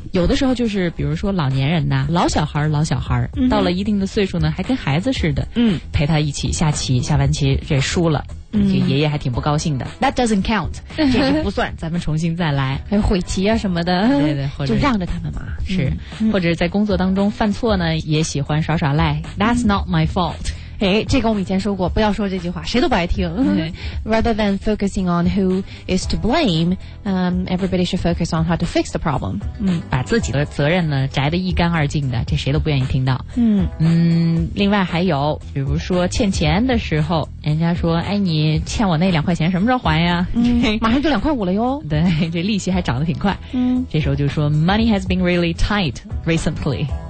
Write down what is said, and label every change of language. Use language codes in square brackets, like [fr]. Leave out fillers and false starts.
[zh] 有的时候就是比如说老年人呐，老小孩老小孩、到了一定的岁数呢还跟孩子似的，陪他一起下棋，下完棋这输了，这爷爷还挺不高兴的。 [en] That doesn't count， [zh] 这就不算，咱们重新再来。还有悔棋啊什么的，对对，或者就让着他们嘛。是，或者在工作当中犯错呢，也喜欢耍耍赖。 [en] That's not my fault。 [zh] 哎，这个我们以前说过，不要说这句话，谁都不爱听。 [en] Rather than focusing on who is to blame, everybody should focus on how to fix the problem。 [zh] 把自己的责任呢摘得一干二净的，这谁都不愿意听到。另外还有，比如说欠钱的时候，人家说，哎，你欠我那两块钱什么时候还呀？马上就两块五了哟。对，这利息还涨得挺快。这时候就说 ， [en] Money has been really tight recently。